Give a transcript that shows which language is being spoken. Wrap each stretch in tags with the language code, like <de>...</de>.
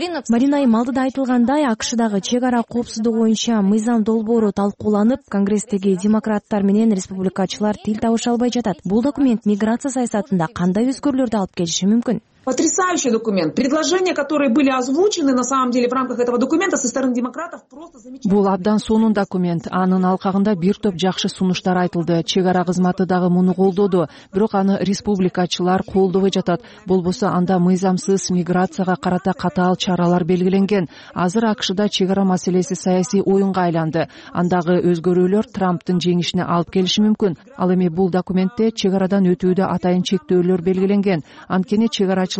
<ky>Марина Аймалдыда айтылгандай, АКШ-дагы чек ара коопсуздугу боюнча мыйзам долбоору талкууланып, конгресстеги демократтар менен республикачылар тил табыша албай жатат. Бул документ миграция саясатында кандай өзгөрүүлөрдү алып келиши мүмкүн?</ky> <ru>Потрясающий документ. Предложения, которые были озвучены на самом деле в рамках этого документа со стороны демократов, просто замечательные.</ru> <ky>Бул абдан сонун документ. Анын алкагында бир топ жакшы сунуштар айтылды. Чек ара кызматы дагы муну колдоду, бирок аны республикачылар колдобо жатат. Болбосо анда мыйзамсыз миграцияга карата катаал чаралар белгиленген. Азыр АКШда чек ара маселеси саясий оюнга айланды. Андагы өзгөрүүлөр Трамптын жеңишине алып келиши мүмкүн. Ал эми бул документте чек арадан өтүүдө атайын чектөөлөр белгиленген. Анткени чек арачы</ky>